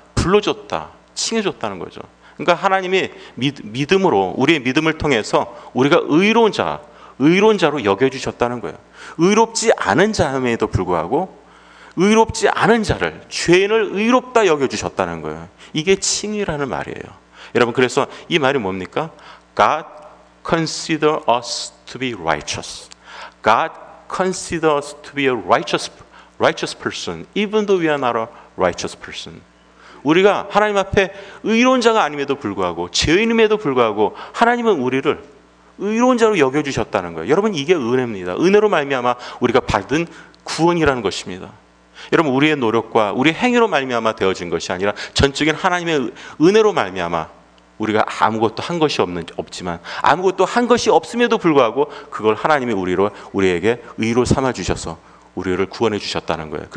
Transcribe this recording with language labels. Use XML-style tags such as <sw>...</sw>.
<ko>불러줬다 칭해줬다는 거죠. 그러니까 하나님이 믿음으로 우리의 믿음을 통해서 우리가 의로운 자 의로운 자로 여겨주셨다는 거예요. 의롭지 않은 자임에도 불구하고 의롭지 않은 자를, 죄인을 의롭다 여겨주셨다는 거예요. 이게 칭의라는 말이에요. 여러분 그래서 이 말이 뭡니까?</ko> <en>God consider us to be righteous. God consider us to be a righteous person even though we are not a righteous person.</en> <ko>우리가 하나님 앞에 의로운 자가 아님에도 불구하고 죄인임에도 불구하고 하나님은 우리를 의로운 자로 여겨주셨다는 거예요. 여러분 이게 은혜입니다. 은혜로 말미암아 우리가 받은 구원이라는 것입니다. 여러분 우리의 노력과 우리의 행위로 말미암아 되어진 것이 아니라 전적인 하나님의 은혜로 말미암아 우리가 아무것도 한 것이 없지만 아무것도 한 것이 없음에도 불구하고 그걸 하나님이 우리에게 의로 삼아주셔서 우리를 구원해 주셨다는 거예요.</ko>